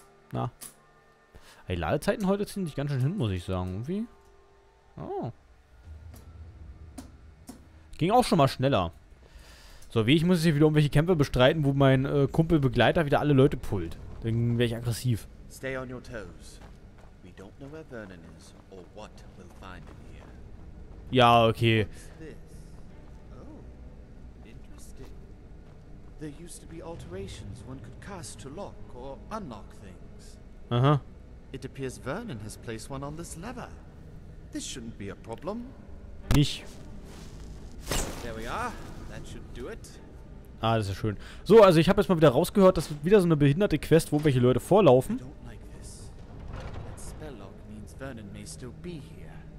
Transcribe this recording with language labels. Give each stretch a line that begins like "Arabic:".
German: Na. Die Ladezeiten heute ziehen sich ganz schön hin, muss ich sagen. Irgendwie. Oh. Ging auch schon mal schneller. So, wie ich muss jetzt hier wieder irgendwelche Kämpfe bestreiten, wo mein Kumpel Begleiter wieder alle Leute pullt. Dann wäre ich aggressiv.
English: Stay on your toes. We don't know where Vernon is or what we'll find in here.
German: Ja, okay.
English: Oh, interesting. There used to be alterations one could cast to lock or unlock things. Aha. It appears Vernon has placed one on this lever. This shouldn't be a problem. Nicht. There we are. That should do it.
German: Ah, das ist ja schön. So, also ich habe jetzt mal wieder rausgehört, das wird wieder so eine behinderte Quest, wo welche Leute vorlaufen.
English: I don't like this. That spell lock means Vernon may still be here.